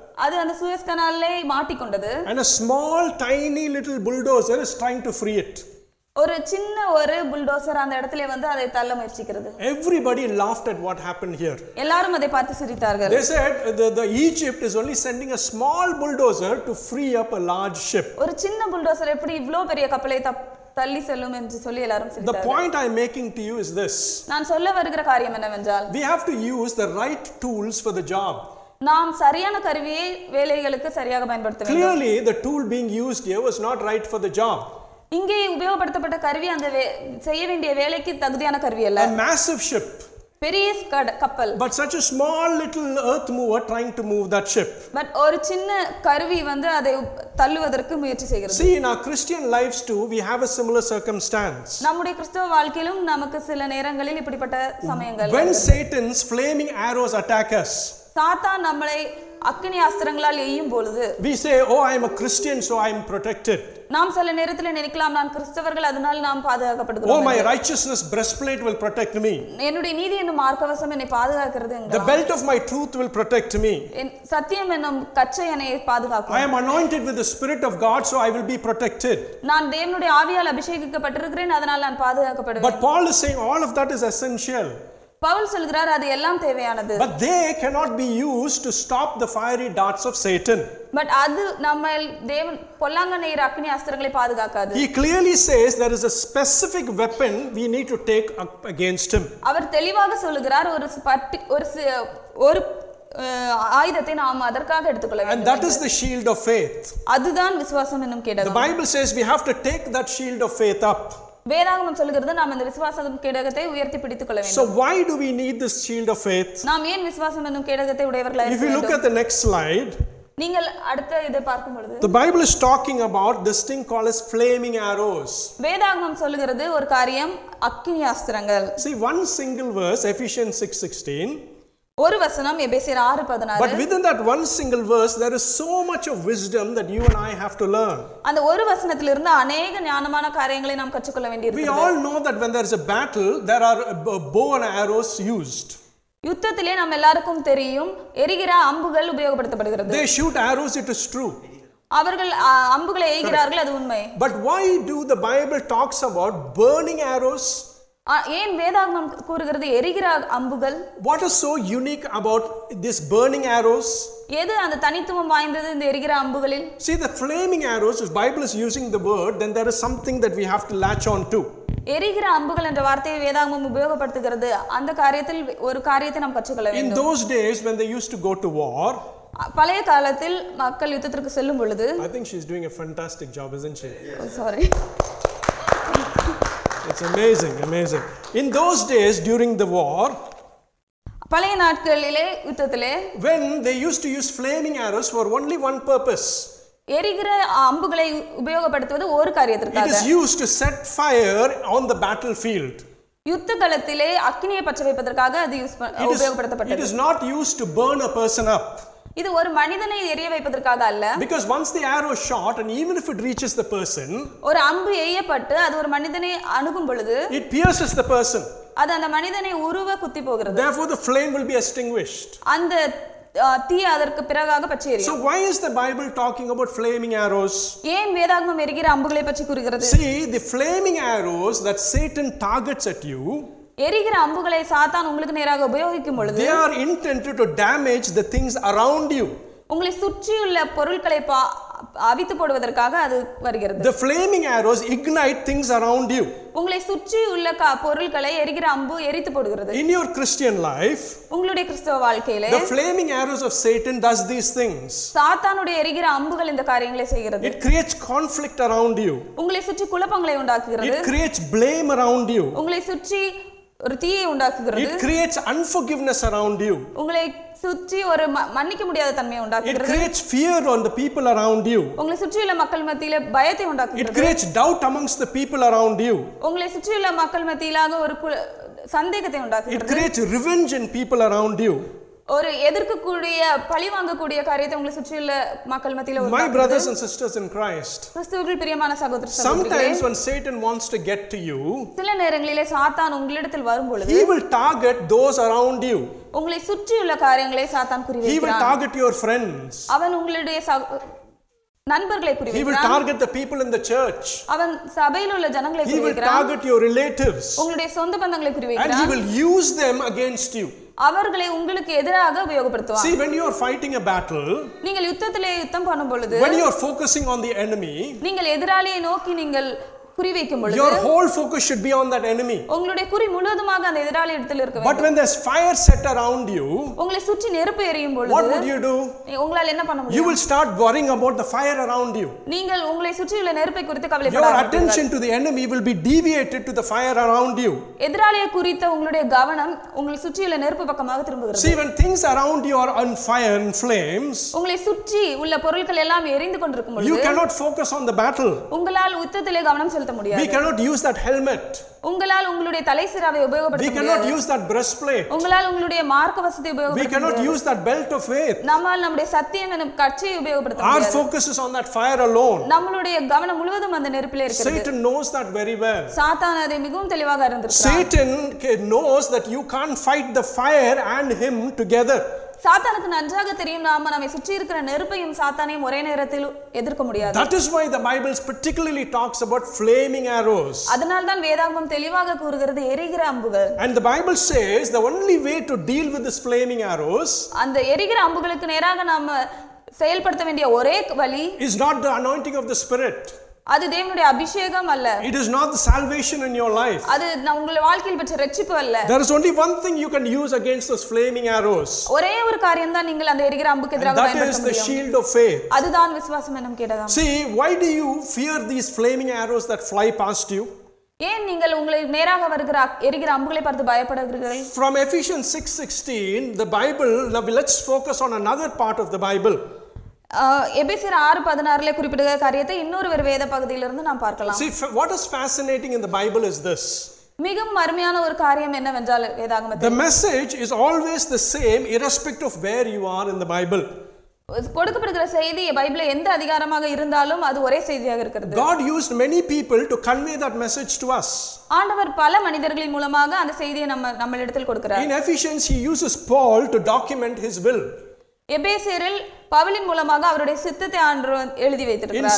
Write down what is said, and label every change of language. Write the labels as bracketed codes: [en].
[ta] அது அந்த Suez Canal-லே மாட்டிக்கொண்டது. [en] And a small tiny little bulldozer is trying to free it. [ta] ஒரு சின்ன ஒரு புல்டோசர் அந்த இடத்துல வந்து அதை தள்ள முயற்சிக்கிறது. [en] Everybody laughed at what happened here. [ta] எல்லாரும் அதை பார்த்து சிரித்தார்கள். [en] They said the Egypt is only sending a small bulldozer to free up a large ship. [ta] ஒரு சின்ன புல்டோசர் எப்படி இவ்ளோ பெரிய கப்பலை தள்ளி செல்லும் என்று சொல்லி எல்லாரும் சிரித்தார்கள். [en] The point I am making to you is this. [ta] நான் சொல்ல வருகிற காரியம் என்னவென்றால், [en] we have to use the right tools for the job. [ta] நாம் சரியான கருவியை வேலைகளுக்கு சரியாக பயன்படுத்த வேண்டும். [en] Clearly the tool being used here was not right for the job. [ta] இங்கே உபயோகப்படுத்தப்பட்ட கருவி அந்த செய்ய வேண்டிய வேலைக்கு தகுதியான கருவி அல்ல. [en] A massive ship. [ta] பெரிய கப்பல். [en] But such a small little earth mover trying to move that ship. [ta] But ஒரு சின்ன கருவி வந்து அதை தள்ளுவதற்கு முயற்சி செய்கிறது. [en] See, in our Christian lives too, we have a similar circumstance. [ta] நம்முடைய கிறிஸ்தவ வாழ்க்கையிலும் நமக்கு சில நேரங்களில் இப்படிப்பட்ட சமயங்கள். [en] When Satan's flaming arrows attack us. [ta] சாத்தான் நம்மளை அக்னி ஆஸ்திரங்களால் எய்யும் பொழுது, [en] we say, oh, I am a Christian, so I am protected. [ta] நாம் சில நேரத்தில் நினைக்கலாம், நான் கிறிஸ்தவர்கள், அதனால் நாம் பாதுகாக்கப்படுகிறோம். [en] Oh, my righteousness breastplate will protect me. [ta] என்னுடைய நீதி என்னும் மார்க்கவசம் என்னை பாதுகாக்கிறது. [en] The belt of my truth will protect me. [ta] என் சத்தியம் என்னும் கச்சை என்னை பாதுகாக்கும். [en] I am anointed with the spirit of God, so I will be protected. [ta] நான் தேவனுடைய ஆவியால் அபிஷேகிக்கப்பட்டிருக்கிறேன், அதனால் நான் பாதுகாக்கப்படுவேன். [en] But Paul is saying all of that is essential. [ta] Pavul சொல்கிறார் அது எல்லாம் தேவையானது. [en] But they cannot be used to stop the fiery darts of Satan. [ta] But அது நம்ம தேவன் பொல்லாங்கண்ணி அக்னி அஸ்திரங்களை பாதுகாக்காது. [en] He clearly says there is a specific weapon we need to take up against him. [ta] அவர் தெளிவாக சொல்கிறார் ஒரு ஒரு ஒரு ஆயுதத்தை நாம் அதற்காக எடுத்துக்கொள்ள வேண்டும். [en] And that is the shield of faith. [ta] அதுதான் விசுவாசம் என்னும் கேடகம். [en] The Bible says we have to take that shield of faith up. [ta] வேதாகமம் சொல்கிறது நாம் இந்த விசுவாசம் கேடகத்தை உயர்த்தி பிடித்துக் கொள்ள வேண்டும். [en] So why do we need this shield of faith? [ta] நாம் ஏன் விசுவாசம் என்னும் கேடகத்தை உடையவர்களாக இருக்க வேண்டும்? [en] If you look at the next slide. [ta] நீங்கள் அடுத்த இதை பார்க்கும் பொழுது, [en] the Bible is talking about this thing called as flaming arrows. [ta] வேதாகமம் சொல்கிறது ஒரு காரியம் அக்கினி ஆஸ்திரங்கள். [en] See, one single verse, Ephesians 6:16. [ta] ஒரு வசனம் எபேசியர் 6:16. [en] But within that one single verse there is so much of wisdom that you and I have to learn. [ta] அந்த ஒரு வசனத்திலிருந்து अनेक ஞானமான காரியங்களை நாம் கற்றுக்கொள்ள வேண்டியிருக்கிறது. [en] We all know that when there is a battle there are bow and arrows used. [ta] யுத்தத்திலே நாம் எல்லாருக்கும் தெரியும் எரிகிற அம்புகள் உபயோகப்படுத்தப்படுகிறது. [en] They shoot arrows, it is true. [ta] அவர்கள் அம்புகளை எய்கிறார்கள், அது உண்மை. [en] But why do the Bible talks about burning arrows? [ta] ஏன் வேதாகமம் கூறுகிறது எரிகிற அம்புகள்? [en] What is so unique about this burning arrows? [ta] எது அந்த தனித்துவம் வாய்ந்தது இந்த எரிகிற அம்புகளில்? [en] See, the flaming arrows, if Bible is using the word, then there is something that we have to latch on to. [ta] எரிகிற அம்புகள் என்ற வார்த்தையை வேதாகமம் உபயோகப்படுத்துகிறது. அந்த காரியத்தில் ஒரு காரியத்தை நாம் கற்றுக்கொள்ள வேண்டும். [en] In those days when they used to go to war, [ta] பழைய காலத்தில் மக்கள் யுத்தத்திற்கு செல்லும் பொழுது, [en] I think she is doing a fantastic job, isn't she? Sorry. It's amazing. In those days during the war, [ta] பழைய நாட்களிலே யுத்தத்திலே [en] when they used to use flaming arrows for only one purpose. [ta] எரிகிற அம்புகளை உபயோகப்படுத்துவது ஒரு காரியத்திற்காக. [en] It is used to set fire on the battlefield. [ta] யுத்த களத்திலே அக்கினியை பற்ற வைப்பதற்காக அது உபயோகப்படுத்தப்பட்டது. [en] It is not used to burn a person up. [ta] இது ஒரு மனிதனை எரிய வைப்பதற்காக அல்ல. [en] Because once the arrow shot and even if it reaches the person, [ta] ஒரு அம்பு எய்யப்பட்டு அது ஒரு மனிதனை அணுகும் பொழுது [en] it pierces the person. [ta] அது அந்த மனிதனை உருவ குத்தி போகிறது. [en] Therefore the flame will be extinguished. [ta] அந்த தீ அதற்கு பிறகாக பற்றி எரியும். [en] So why is the Bible talking about flaming arrows? [ta] ஏன் வேதாகமம் எரிகிற அம்புகளை பற்றி கூறுகிறது? [en] See the flaming arrows that Satan targets at you. [ta] எரிகிற அம்புகளை சாத்தான் உங்களுக்கு நேராக உபயோகிக்கும் பொழுது [en] they are intended to damage the things around you. [ta] உங்களை சுற்றியுள்ள பொருட்களை அவித்து போடுவதற்காக அது வருகிறது. [en] The flaming arrows ignite things around you. [ta] உங்களை சுற்றி உள்ள பொருட்களை எரிகிற அம்பு எரித்து போடுகிறது. [en] In your Christian life, [ta] உங்களுடைய கிறிஸ்தவ வாழ்க்கையிலே [en] the flaming arrows of Satan does these things. [ta] சாத்தானுடைய எரிகிற அம்புகள் இந்த காரியங்களை செய்கிறது. [en] It creates conflict around you. [ta] உங்களை சுற்றி குழப்பங்களை உண்டாக்குகிறது. [en] It creates blame around you. [ta] உங்களை சுற்றி ஒரு தீயை உண்டாக்குகிறது. [en] It creates unforgiveness around you. [ta] உங்களை சுற்றி ஒரு மன்னிக்க முடியாத தன்மையை உண்டாக்குகிறது. [en] It creates fear on the people around you. [ta] உங்களை சுற்றியுள்ள மக்கள் மத்தியில பயத்தை உண்டாக்குகிறது. [en] It creates doubt amongst the people around you. [ta] உங்களை சுற்றியுள்ள மக்கள் மத்தியில ஒரு சந்தேகத்தை உண்டாக்குகிறது. [en] It creates revenge in people around you. [ta] ஒரு எதிர்க்கக்கூடிய பழி வாங்கக்கூடிய காரியத்தை உங்களை சுற்றியுள்ள மக்கள் மத்தியில [en] My brothers and sisters in Christ. [ta] கிறிஸ்துவுக்குள் பிரியமான சகோதர சகோதரிகளே. [en] Sometimes when Satan wants to get to you. [ta] சில நேரங்களிலே சாத்தான் உங்களிடத்தில் வரும்பொழுது [en] He will target those around you. [ta] உங்களை சுற்றியுள்ள காரியங்களை சாத்தான் குறி வைக்கிறார். [en] He will target your friends. [ta] அவன் உங்களுடைய நண்பர்களை குறி வைக்கிறான். [en] He will target the people in the church. [ta] அவன் சபையில் உள்ள ஜனங்களை குறி வைக்கிறான். [en] He will target your relatives. [ta] உங்களுடைய சொந்த பந்தங்களை குறி வைக்கிறான். [en] And he will use them against you. [ta] அவர்களை உங்களுக்கு எதிராக உபயோகப்படுத்துவார். [en] See when you are fighting a battle. [ta] நீங்கள் யுத்தத்திலே யுத்தம் பண்ணும்பொழுது [en] when you are focusing on the enemy. [ta] நீங்கள் எதிராளியை நோக்கி நீங்கள் குறி வைக்கும்பொழுது [en] your whole focus should be on that enemy. [ta] உங்களுடைய குறி முழுவதுமாக அந்த எதிராளி இடத்தில் இருக்க வேண்டும். [en] But when there's fire set around you. [ta] உங்களை சுற்றி நெருப்பு எரியும் பொழுது [en] what would you do? [ta] உங்களால என்ன பண்ண முடியும்? [en] You will start worrying about the fire around you. [ta] நீங்கள் உங்களை சுற்றியுள்ள நெருப்பை குறித்து கவலைப்பட ஆரம்பிப்பீர்கள். [en] Your attention to the enemy will be deviated to the fire around you. [ta] எதிராளியை குறித்த உங்களுடைய கவனம் உங்களை சுற்றியுள்ள நெருப்பு பக்கமாக திரும்புகிறது. [en] See when things around you are on fire and flames. [ta] உங்களை சுற்றி உள்ள பொருட்கள் எல்லாம் எரிந்து கொண்டிருக்கும் பொழுது [en] you cannot focus on the battle. [ta] உங்களால் யுத்தத்திலே கவனம் [en] We cannot use that helmet. [ta] உங்களால் உங்களுடைய தலைசிராவை உபயோகப்படுத்த முடியாது. [en] We cannot use that breastplate. [ta] உங்களால் உங்களுடைய மார்க்க வஸ்தியை உபயோகப்படுத்த முடியாது. [en] We cannot use that belt of faith. [ta] நம்மால் நம்முடைய சத்தியம் எனும் கச்சையை உபயோகப்படுத்த முடியாது. [en] Our focus is on that fire alone. [ta] நம்மளுடைய கவனம் முழுவதும் அந்த நெருப்பிலே இருக்கிறது. [en] Satan knows that very well. [ta] சாத்தான் அதை மிகவும் தெளிவாக அறிந்திருக்கிறான். [en] Satan knows that you can't fight the fire and him together. [ta] சாத்தானுக்கு நன்றாக தெரியும் நாம நம்மை சுற்றி இருக்கிற நெருப்பையும் சாத்தானையும் ஒரே நேரத்தில் எதிர்க்க முடியாது. [en] That is why the Bible particularly talks about flaming arrows. [ta] அதனால தான் வேதாகமம் தெளிவாக கூறுகிறது எரிகிற அம்புகள். [en] And the Bible says the only way to deal with this flaming arrows. [ta] அந்த எரிகிற அம்புகளுக்கு நேராக நாம செயல்படுத்த வேண்டிய ஒரே வழி [en] is not the anointing of the spirit. [ta] அது தேவனுடைய அபிஷேகம் அல்ல. [en] It is not the salvation in your life. [ta] அது உங்கள் வாழ்க்கையில் பெற்ற இரட்சிப்பு அல்ல. [en] There is only one thing you can use against those flaming arrows. [ta] ஒரே ஒரு காரியம் தான் நீங்கள் அந்த எரிகிற அம்புக்கு எதிராக பயன்படுத்த முடியும். [en] That is the shield of faith. [ta] அதுதான் விசுவாசம் எனும் கேடகம். [en] See, why do you fear these flaming arrows that fly past you? [ta] ஏன் நீங்கள் உங்களை நேராக வருகிற எரிகிற அம்புகளை பார்த்து பயப்படுகிறீர்கள்? [en] From Ephesians 6:16, the Bible, now let's focus on another part of the Bible. [ta] எபேசியர் 6:16 குறிப்பிடுகிற காரியத்தை இன்னொரு ஒரு வேத பகுதியிலிருந்து நாம் பார்க்கலாம். [en] See what is fascinating in the Bible is this. [ta] மிகவும் அருமையான ஒரு காரியம் என்னவென்றால் வேதாகமத்தில் [en] The message is always the same irrespective of where you are in the Bible. [ta] கொடுக்கப்படுகிற செய்தி பைபிளில் எந்த அதிகாரமாக இருந்தாலும் அது ஒரே செய்தியாக இருக்கிறது. [en] God used many people to convey that message to us. [ta] ஆண்டவர் பல மனிதர்களின் மூலமாக அந்த செய்தியை நம்மளிடத்தில் கொடுக்கிறார். [en] In Ephesians he uses Paul to document his will. [ta] எபேசியரில் பவுலின் மூலமாக அவருடைய சித்தத்தை ஆண்டவர் எழுதி வைத்திருக்கிறார்.